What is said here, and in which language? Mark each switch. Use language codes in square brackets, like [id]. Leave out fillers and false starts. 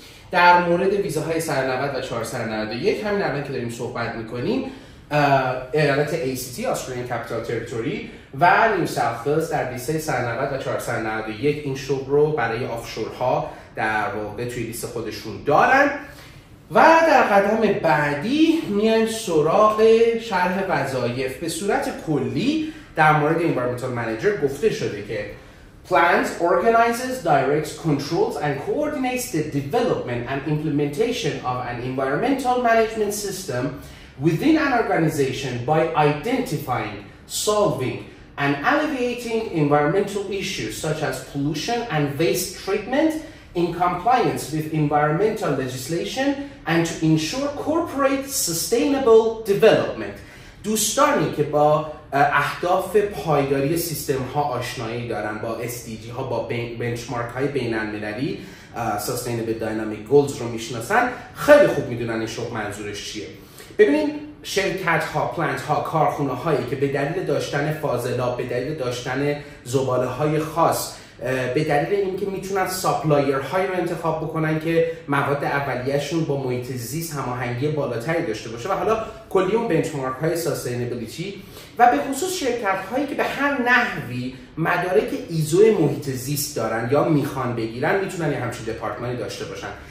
[fa] در مورد ویزاهای 190 و 491 همین الان که داریم صحبت میکنیم، ایالت ACT Australian Capital Territory و New South Wales در ویزای 190 و 491 این شغل رو برای آفشورها در واقع توی لیست خودشون دارن. و در قدم بعدی میایم سراغ شرح وظایف. به صورت کلی در مورد [en] Environmental Manager [fa] گفته شده که [en] plans, organizes, directs, controls and coordinates the development and implementation of an environmental management system within an organization by identifying, solving and alleviating environmental issues such as pollution and waste treatment in compliance with environmental legislation and to ensure corporate sustainable development. [fa] دوستانی که با اهداف پایداری سیستم ها آشنایی دارن، با SDG ها، با بنچمارک های بین المللی Sustainable Dynamic Goals رو میشناسن، خیلی خوب میدونن این شغل منظورش چیه. ببینید شرکت ها، پلنت ها، کارخونه هایی که به دلیل داشتن فاضلاب، به دلیل داشتن زباله های خاص، به دلیل اینکه میتونن ساپلایر های رو انتخاب بکنن که مواد اولیه‌شون با محیط زیست هماهنگی بالاتری داشته باشه، و حالا کلی اون بنچمارک های سستینبیلیتی، و به خصوص شرکت هایی که به هر نحوی مدارک ایزو محیط زیست دارن یا میخوان بگیرن، میتونن یه همچین دپارتمانی داشته باشن